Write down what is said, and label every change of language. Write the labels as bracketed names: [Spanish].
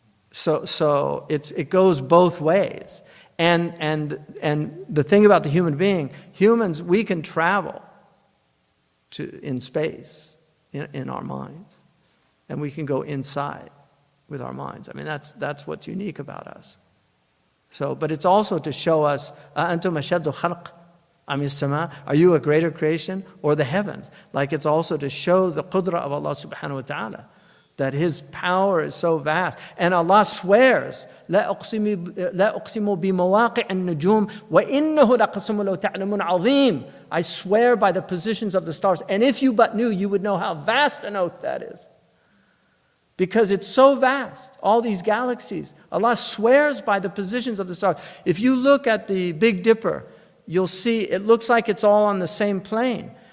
[English] So it goes both ways. And the thing about the human being, humans, we can travel to in space, in our minds, and we can go inside with our minds. I mean, that's what's unique about us. So, but it's also to show us, [Arabic] أَنْتُمْ أَشَدُّ خَلْقٍ أَمِ السَّمَاءِ. [English] Are you a greater creation or the heavens? Like, it's also to show the qudra of Allah subhanahu wa ta'ala, that His power is so vast. And Allah swears, [Arabic] لَأُقْسِمُ بِمَوَاقِعِ النُّجُومِ وَإِنَّهُ لَقَسَمُ لَوْ تَعْلَمُونَ عَظِيمٌ. [English] I swear by the positions of the stars. And if you but knew, you would know how vast an oath that is. Because it's so vast, all these galaxies. Allah swears by the positions of the stars. If you look at the Big Dipper, you'll see it looks like it's all on the same plane.